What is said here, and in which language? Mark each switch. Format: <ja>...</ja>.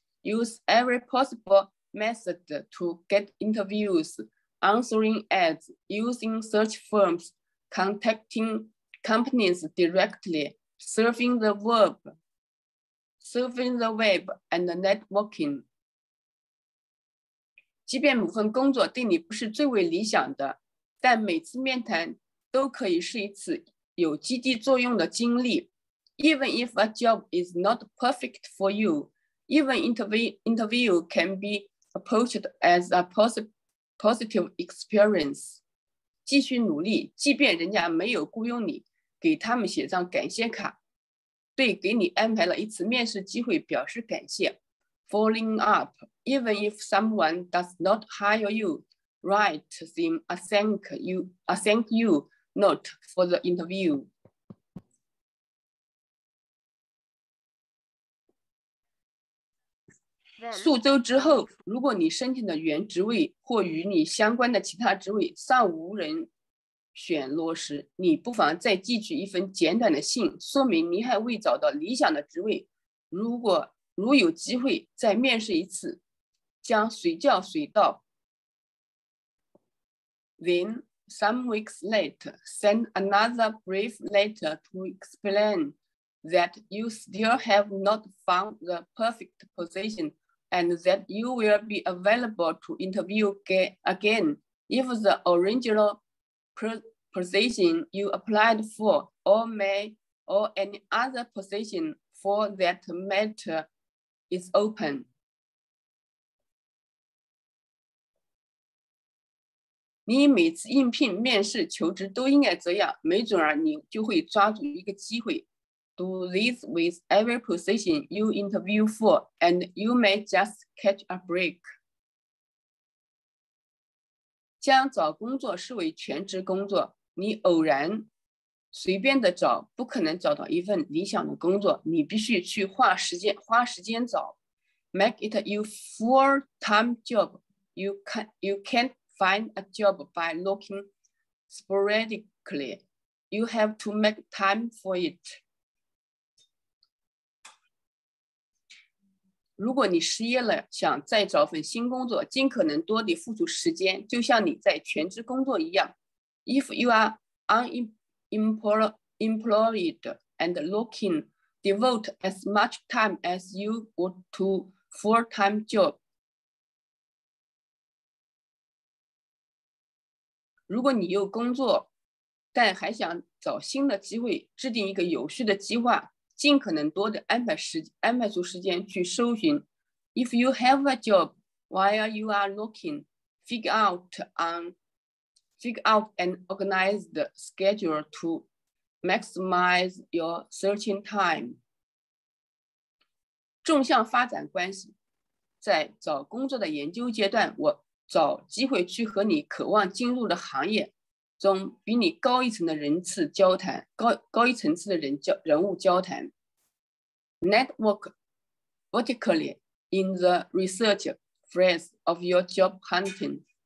<en>Use every possible method to get interviews, answering ads, using search firms,contacting companies directly, surfing the web, surfing the web and networking.</en> <zh>即便某份工作对你不是最为理想的，但每次面谈都可以是一次有激励作用的经历。</zh> <en>Even if a job is not perfect for you, even interview can be approached as a positive experience.</en> <zh>继续努力，即便人家没有雇佣你，给他们写张感谢卡，对给你安排了一次面试机会表示感谢。</zh> <en>Following up, even if someone does not hire you, write them a thank you note for the interview.</en> <zh>数周之后，如果你申请的原职位或与你相关的其他职位尚无人选落实，你不妨再寄去一封简短的信，说明你还未找到理想的职位。如有机会再面试一次，将随叫随到。</zh> <en>Then, some weeks later, send another brief letter to explain that you still have not found the perfect position and that you will be available to interview again if the original position you applied for or any other position for that matter. It's open.</en> <zh>你每次应聘、面试、求职都应该这样，没准儿你就会抓住一个机会。</zh> <en>Do this with every position you interview for, and you may just catch a break.</en> <zh>将找工作视为全职工作，你偶然随便的找，不可能找到一份理想的工作，你必须去花时间找。</zh> <en>Make it your full-time job. You can't find a job by looking sporadically. You have to make time for it.</en> <zh>如果你失业了，想再找份新工作，尽可能多地付出时间，就像你在全职工作一样。</zh> <en>If you are unemployed and looking, devote as much time as you would to full-time job.</en> <zh>如果你有工作但还想找新的机会，制定一个有序的计划，尽可能多的安排出时间去搜寻。</zh> <en>If you have a job while you are looking, figure out an organized schedule to maximize your searching time.</en> <zh>纵向发展关系，在找工作的研究阶段，我找机会去和你渴望进入的行业中比你高一层的人次交谈，高一层次的人物交谈。</zh> <en>Network vertically in the research phase of your job hunt.</en>